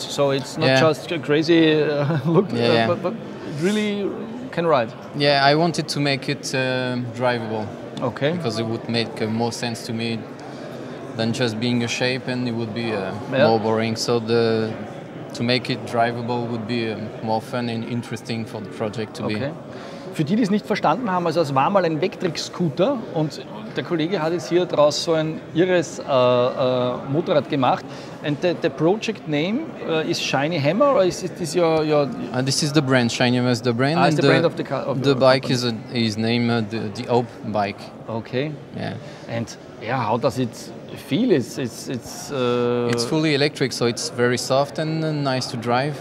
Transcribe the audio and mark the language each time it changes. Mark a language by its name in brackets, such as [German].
[English] So it's not just a crazy look, but it really can ride. Yeah, I wanted to make it drivable. Okay. Because it would make more sense to me than just being a shape, and it would be more boring. So to make it drivable would be more fun and interesting for the project to be. Okay. [German] Für die, die es nicht verstanden haben, also es war mal ein Vectrex-Scooter und der Kollege hat jetzt hier draus so ein irres Motorrad gemacht. [English] And the project name is Scheinheimer or is this your... This is the brand, Scheinheimer is the brand. Ah, it's the brand of the car. Of the bike company. Is named the Hope bike. Okay. Yeah. And yeah, how does it feel? It's fully electric, so it's very soft and nice to drive.